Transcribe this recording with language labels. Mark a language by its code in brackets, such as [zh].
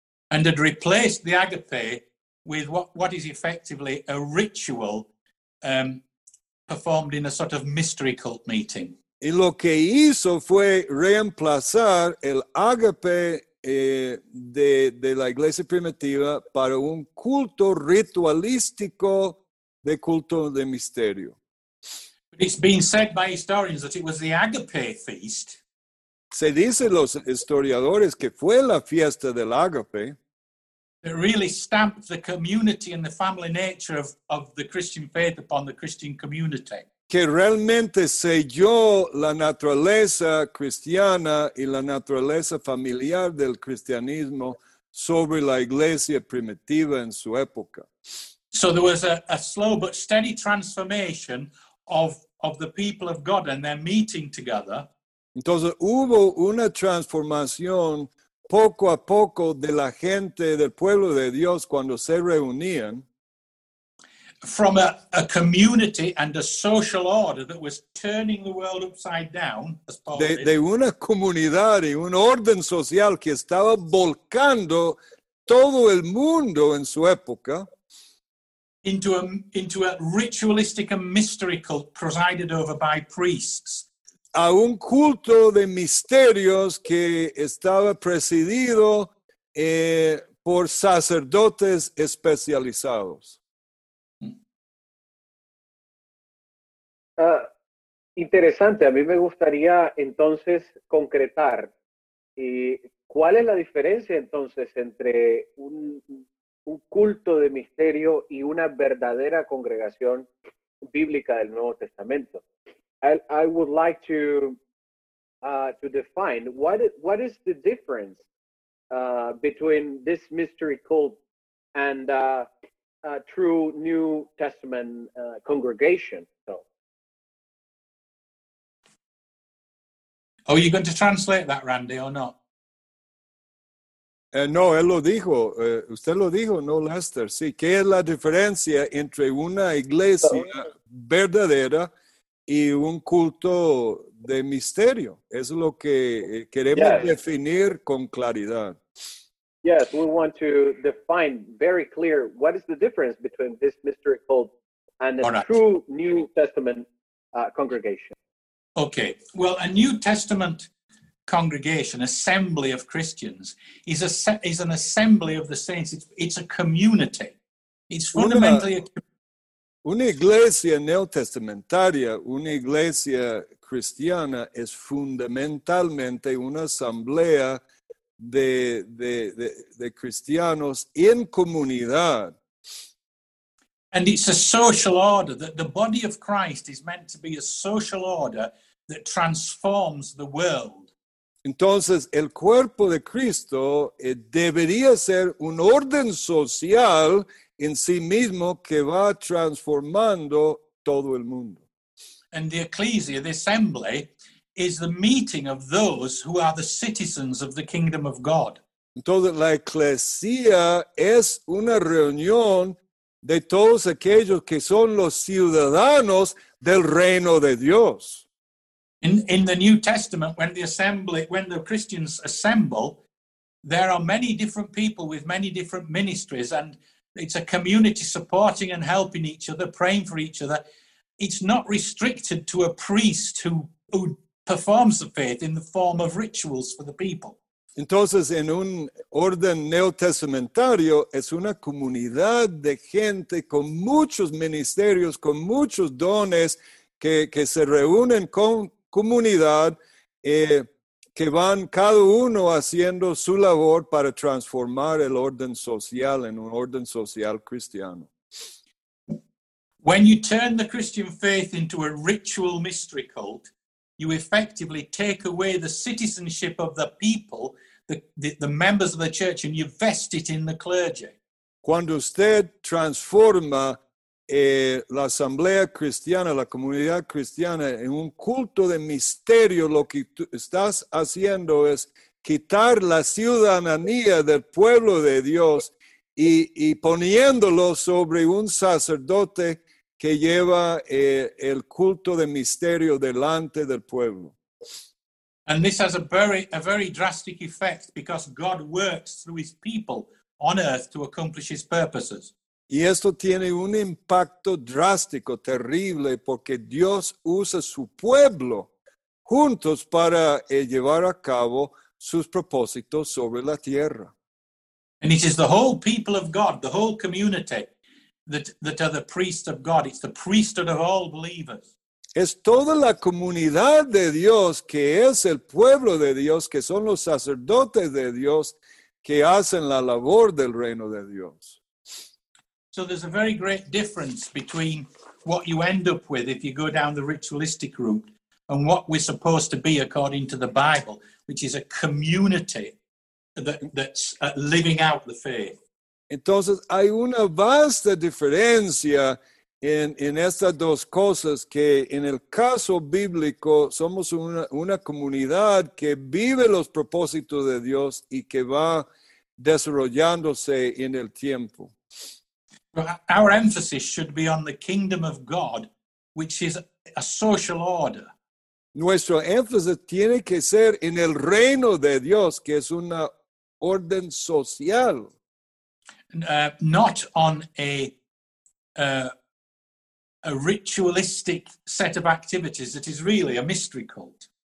[en] And had replaced the Agape with what is effectively a ritual performed in a sort of mystery cult meeting. [es] Y lo que hizo fue reemplazar el agape de la iglesia primitiva para un culto ritualístico de culto de misterio. [en] But it's been said by historians that it was the agape feast. [es] Se dice los historiadores que fue la fiesta del agape. [en] It really stamped the community and the family nature of the Christian faith upon the Christian community. [es] che realmente sei io la naturaleza cristiana e la naturaleza familiare del cristianismo sobre la iglesia primitiva in sua epoca. [en] So there was a slow but steady transformation of the people of God and their meeting together. [es] Entonces hubo una transformación poco a poco de la gente del pueblo de Dios cuando se reunían. [en] From a community and a social order that was turning the world upside down, as Paul said. [es] De una comunidad y un orden social que estaba volcando todo el mundo en su época. [en] Into a ritualistic and mystery cult presided over by priests. [es] A un culto de misterios que estaba presidido por sacerdotes especializados. Interesante. A mí me gustaría entonces concretar cuál es la diferencia entonces entre un culto de misterio y una verdadera congregación bíblica del Nuevo Testamento. [en] I would like to define what is the difference between this mystery cult and a true New Testament congregation. So. Oh, are you going to translate that, Randy, or not? [es] No, él lo dijo. Usted lo dijo, no, Lester. Sí, ¿qué es la diferencia entre una iglesia verdadera y un culto de misterio? Es lo que queremos definir con claridad. [en] Yes, we want to define very clear what is the difference between this mystery cult and a true New Testament congregation. Okay, well, a New Testament congregation, assembly of Christians, is an assembly of the saints. It's a community. It's fundamentally a community. [es] Una iglesia neotestamentaria, una iglesia cristiana, es fundamentalmente una asamblea de cristianos en comunidad. [en] And it's a social order, that the body of Christ is meant to be a social order that transforms the world. [es] Entonces, el cuerpo de Cristo debería ser un orden social en sí mismo que va transformando todo el mundo. [en] And the ecclesia, the assembly, is the meeting of those who are the citizens of the kingdom of God. [es] Entonces, la ecclesia es una reunión de todos aquellos que son los ciudadanos del reino de Dios. [en] In the New Testament, when the Christians assemble, there are many different people with many different ministries, and it's a community supporting and helping each other, praying for each other. It's not restricted to a priest who performs the faith in the form of rituals for the people. [es] Entonces, en un orden neotestamentario, es una comunidad de gente con muchos ministerios, con muchos dones, que se reúnen con comunidad, que van cada uno haciendo su labor para transformar el orden social en un orden social cristiano. [en] When you turn the Christian faith into a ritual mystery cult, you effectively take away the citizenship of the people, the members of the church, and you vest it in the clergy. [es] Cuando usted transforma la asamblea cristiana, la comunidad cristiana, en un culto de misterio, lo que tú estás haciendo es quitar la ciudadanía del pueblo de Dios y poniéndolo sobre un sacerdote que lleva el culto de misterio delante del pueblo. [en] And this has a very drastic effect because God works through his people on earth to accomplish his purposes. [es] Y esto tiene un impacto drástico, terrible, porque Dios usa su pueblo juntos para llevar a cabo sus propósitos sobre la tierra. [en] And it is the whole people of God, the whole community, that are the priests of God. It's the priesthood of all believers. [es] Es toda la comunidad de Dios, que es el pueblo de Dios, que son los sacerdotes de Dios, que hacen la labor del reino de Dios. [en] So there's a very great difference between what you end up with if you go down the ritualistic route, and what we're supposed to be according to the Bible, which is a community that's living out the faith. [es] Entonces, hay una vasta diferencia en estas dos cosas, que en el caso bíblico somos una comunidad que vive los propósitos de Dios y que va desarrollándose en el tiempo. [en] Our emphasis should be on the kingdom of God, which is a social order. [es] Nuestro énfasis tiene que ser en el reino de Dios, que es una orden social. [en] Not on a ritualistic set of activities that is really a mystery cult.